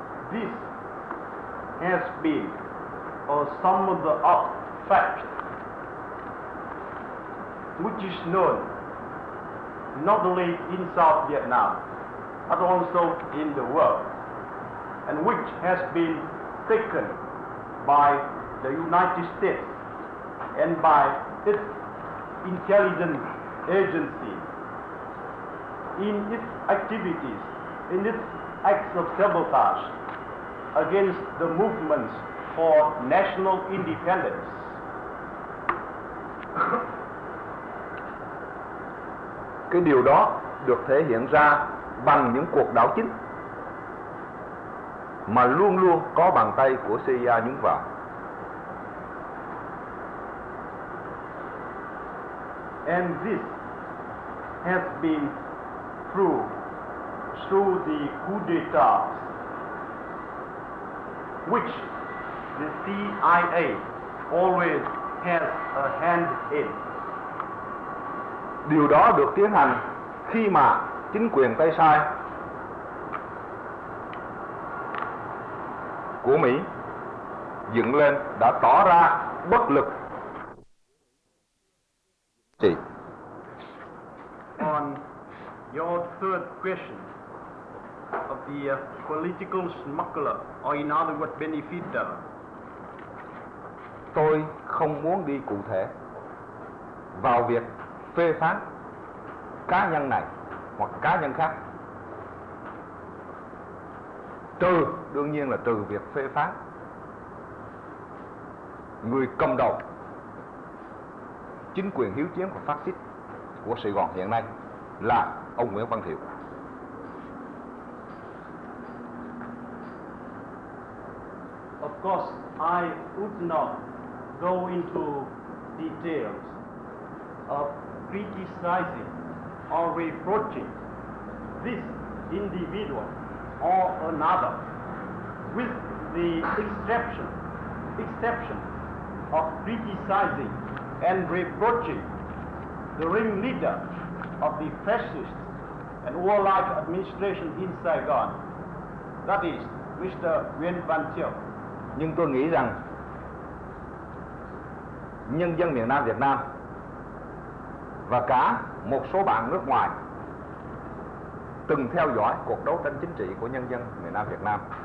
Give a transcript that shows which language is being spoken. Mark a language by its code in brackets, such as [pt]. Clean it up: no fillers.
[en] This has been a sum of the fact which is known not only in South Vietnam but also in the world, and which has been taken by the United States and by its intelligence agency in its activities, in its acts of sabotage against the movements for national independence. [vi] Cái điều đó được thể hiện ra bằng những cuộc đảo chính mà luôn luôn có bàn tay của CIA nhúng vào. [en] And this has been proved through the coup d'etat which the CIA always has a hand in. [vi] Điều đó được tiến hành khi mà chính quyền tay sai của Mỹ dựng lên đã tỏ ra bất lực. [en] On your third question of the political smuggler, or in other words, benefactor, [vi] tôi không muốn đi cụ thể vào việc phê phán cá nhân này hoặc cá nhân khác, trừ đương nhiên là trừ việc phê phán người cầm đầu chính quyền hiếu chiến và phát xít của Sài Gòn hiện nay là ông Nguyễn Văn Thiệu. [en] Of course, I would not go into details of criticizing or reproaching this individual or another, with the exception of criticizing and reproaching the ringleader of the fascist and warlike administration in Saigon, that is Mr. Nguyễn Văn Thiệu. [vi] Nhưng tôi nghĩ rằng nhân dân miền Nam Việt Nam và cả một số bạn nước ngoài từng theo dõi cuộc đấu tranh chính trị của nhân dân miền Nam Việt Nam